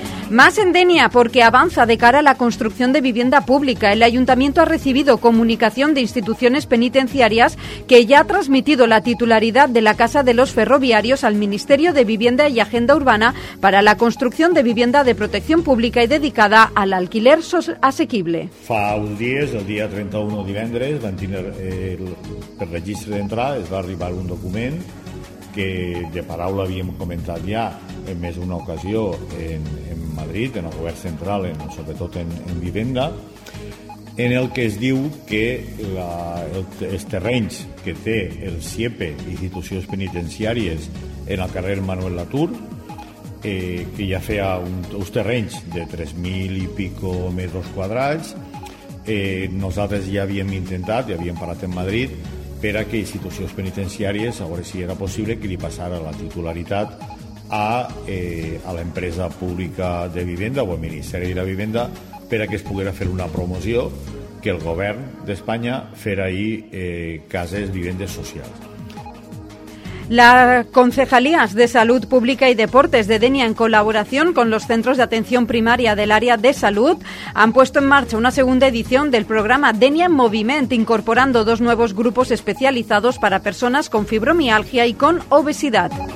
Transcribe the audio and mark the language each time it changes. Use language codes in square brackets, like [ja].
[es] Más en Denia, porque avanza de cara a la construcción de vivienda pública. El Ayuntamiento ha recibido comunicación de instituciones penitenciarias que ya ha transmitido la titularidad de la Casa de los Ferroviarios al Ministerio de Vivienda y Agenda Urbana para la construcción de vivienda de protección pública y dedicada al alquiler asequible. [ca] Fa uns dies, el dia 31 divendres, van tenir el registre d'entrada, es va arribar un document que de paraula havíem comentat ja en més d'una ocasió en Madrid, en el govern central, sobretot en vivenda, en el que es diu que els terrenys que té el CIEPE, institucions penitenciàries, en el carrer Manuel Latour, que ja feia uns terrenys de 3.000 i pico metres quadrats, nosaltres ja havíem intentat, ja havíem parat en Madrid, per a que institucions penitenciàries, a veure si era possible, que li passara la titularitat a l'empresa pública de vivenda o al Ministeri de la Vivenda per a que es poguera fer una promoció que el govern d'Espanya fera ahir cases, vivendes socials. [es] Las concejalías de Salud Pública y Deportes de Denia, en colaboración con los centros de atención primaria del área de salud, han puesto en marcha una segunda edición del programa Denia en Movimiento, incorporando dos nuevos grupos especializados para personas con fibromialgia y con obesidad.